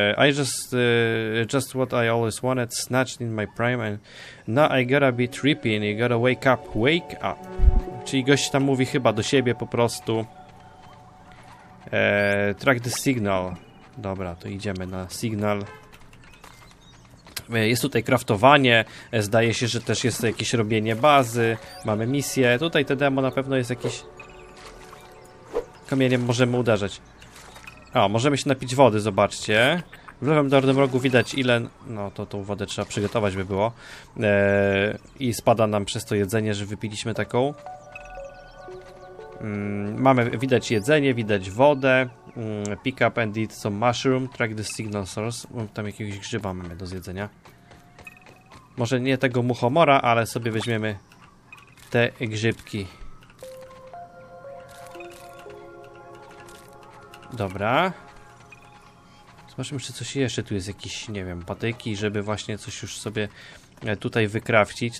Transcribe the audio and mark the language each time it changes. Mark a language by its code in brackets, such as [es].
[en] I just what I always wanted, snatched in my prime and now I gotta be tripping, you gotta wake up, wake up. [pl] Czyli gość tam mówi chyba do siebie po prostu. [en] Track the signal. [pl] Dobra, to idziemy na signal. Jest tutaj craftowanie, zdaje się, że też jest jakieś robienie bazy, mamy misję, tutaj te demo na pewno jest jakiś... Kamieniem możemy uderzać. O, możemy się napić wody, zobaczcie. W lewym dolnym rogu widać ile... No, to tą wodę trzeba przygotować by było. I spada nam przez to jedzenie, że wypiliśmy taką. Mamy, widać jedzenie, widać wodę. [en] Pick up and eat some mushroom, track the signal source. [pl] Tam jakiegoś grzyba mamy do zjedzenia. Może nie tego muchomora, ale sobie weźmiemy te grzybki. Dobra. Zobaczmy, czy coś jeszcze tu jest, jakieś, nie wiem, patyki, żeby właśnie coś już sobie tutaj wykrafcić.